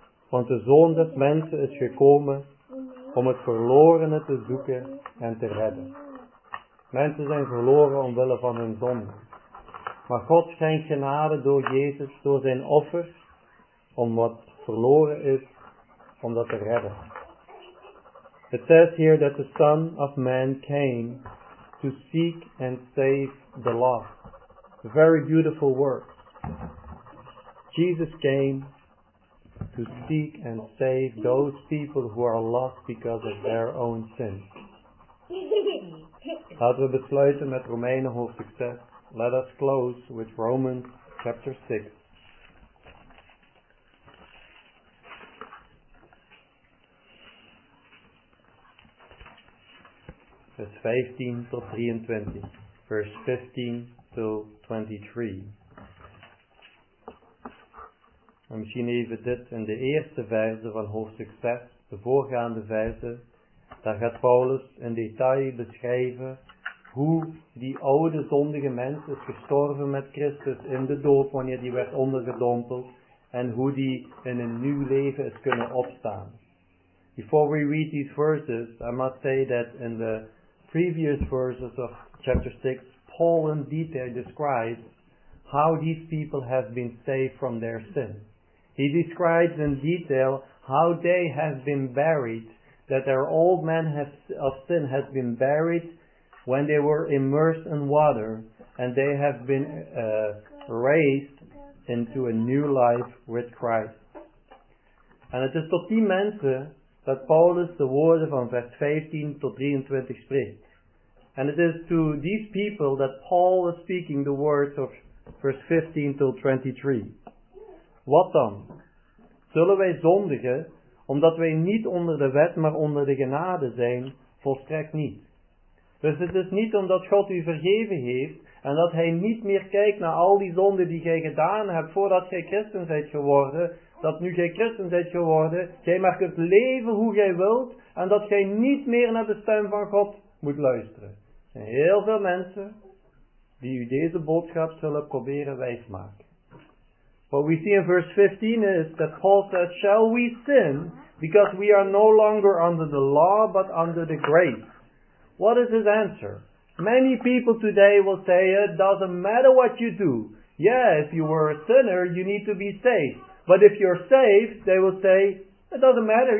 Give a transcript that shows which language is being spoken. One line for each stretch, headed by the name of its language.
Dutch: Want de Zoon des mensen is gekomen om het verlorene te zoeken en te redden. Mensen zijn verloren omwille van hun zonde. Maar God schenkt genade door Jezus, door zijn offer, om wat verloren is, om dat te redden.
English: It says here that the Son of Man came to seek and save the lost. A very beautiful word. Jesus came to seek and save those people who are lost because of their own sins.
Dutch: Laten we besluiten met Romeinen hoofdstuk 6.
English: Let us close with Romans chapter 6.
Dutch: Vers 15 tot 23. Vers 15 tot 23. En misschien even dit in de eerste verse van hoofdstuk 6. De voorgaande verse. Daar gaat Paulus in detail beschrijven hoe die oude zondige mens is gestorven met Christus in de doop wanneer die werd ondergedompeld en hoe die in een nieuw leven is kunnen opstaan.
English: Before we read these verses, I must say that in the previous verses of chapter 6, Paul in detail describes how these people have been saved from their sin. He describes in detail how they have been buried, that their old man of sin has been buried when they were immersed in water, and they have been raised into a new life with Christ.
Dutch: En het is tot die mensen dat Paulus de woorden van vers 15 tot 23 spreekt.
English: And it is to these people that Paul is speaking the words of
Dutch: vers 15 tot 23. Wat dan? Zullen wij zondigen, omdat wij niet onder de wet, maar onder de genade zijn, volstrekt niet. Dus het is niet omdat God u vergeven heeft, en dat hij niet meer kijkt naar al die zonden die gij gedaan hebt, voordat gij christen bent geworden, dat nu gij christen bent geworden, gij maar kunt leven hoe gij wilt, en dat gij niet meer naar de stem van God moet luisteren. Er zijn heel veel mensen die u deze boodschap zullen proberen wijsmaken.
English: What we see in verse 15 is that Paul says, shall we sin because we are no longer under the law but under the grace? What is his answer? Many people today will say, it doesn't matter what you do. Yeah, if you were a sinner, you need to be saved. But if you're saved, they will say, it doesn't matter.